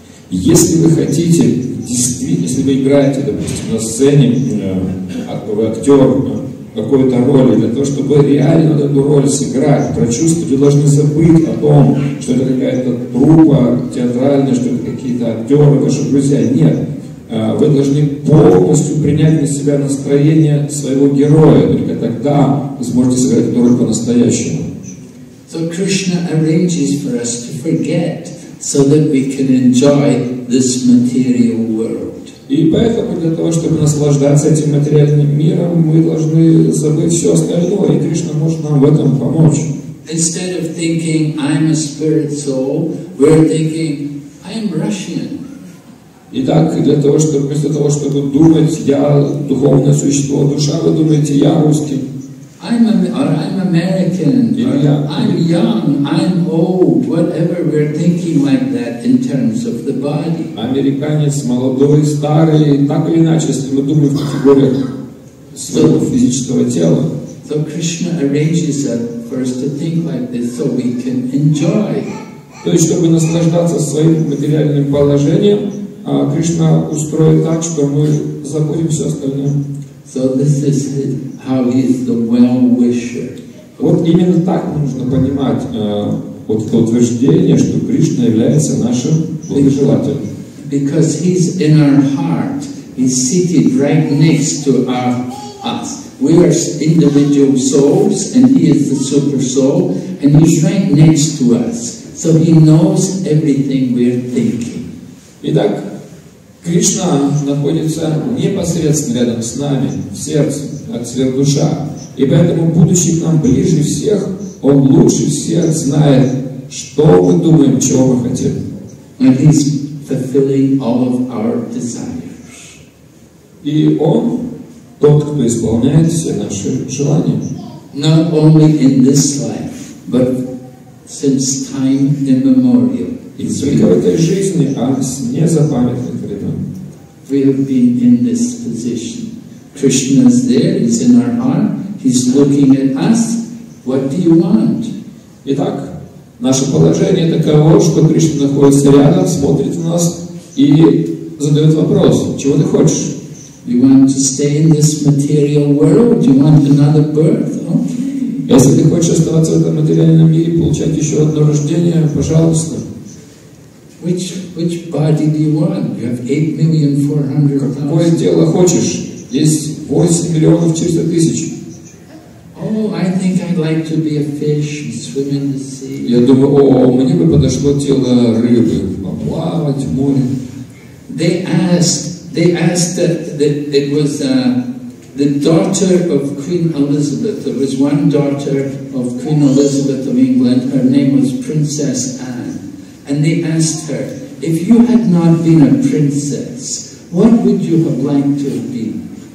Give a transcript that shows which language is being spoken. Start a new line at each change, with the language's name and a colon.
Russian: Если вы хотите, действительно, если вы играете, допустим, на сцене, вы актер какой-то роли, для того, чтобы реально эту роль сыграть, прочувствовать, вы должны забыть о том, что это какая-то труппа театральная, что это какие-то актеры, ваши друзья. Нет. Вы должны полностью принять на себя настроение своего героя. Только тогда вы сможете сыграть эту роль по-настоящему.
English: So Krishna arranges for us to forget, so that we can enjoy this material world.
Russian: И поэтому для того, чтобы наслаждаться этим материальным миром, мы должны забыть все остальное, и Кришна может нам в этом помочь.
English: Instead of thinking, I'm a spirit soul, we're thinking, I'm Russian.
Russian: Итак, вместо того, чтобы думать, я духовное существо, душа, вы думаете, я русский.
English: I'm American, I'm young, I'm old, whatever we're thinking like that in terms of the body.
Russian: Американец, молодой, старый, так или иначе, если мы думаем в категориях своего физического тела.
English: So Krishna arranges for us to think like this so we can enjoy.
Russian: То есть, чтобы наслаждаться своим материальным положением, Кришна устроит так, что мы забудем все остальное.
English: So this is how he is the well-wisher.
Russian: Вот именно так нужно понимать вот это утверждение, что Кришна является нашим благожелателем.
English: Because he's in our heart, he's seated right next to us. We are individual souls, and he is the super soul, and he's right next to us. So he knows everything we're thinking.
Russian: Итак, Кришна находится непосредственно рядом с нами, в сердце, как сверхдуша. И поэтому, будучи к нам ближе всех, он лучше всех знает, что мы думаем, чего мы хотим.
English: And he's fulfilling all of our desires.
Russian: И он тот, кто исполняет все наши желания.
English: Not only in this life, but since time immemorial.
Russian: И не только в этой жизни, а с незапамятных времен.
English: We have been in this position. Krishna's there, he's in our heart. He's looking at us. What do you want?
Russian: Итак, наше положение таково, что Кришна находится рядом, смотрит на нас и задает вопрос: чего ты хочешь?
English: You want to stay in this material world? You want another birth? Okay.
Russian: Если ты хочешь оставаться в этом материальном мире и получать еще одно рождение, пожалуйста.
English: Which body do you want? You have 8,400,000.
Russian: Какое тело хочешь? Есть 8,400,000.
English: Oh, I think I'd like to be a fish and swim in the sea.
Russian: Я думаю, о, мне бы подошло тело рыбы, поплавать в море.
English: They asked that it was the daughter of Queen Elizabeth. There was one daughter of Queen Elizabeth of England. Her name was Princess Anne. And they asked her, if you had not been a princess, what would you have liked to have been?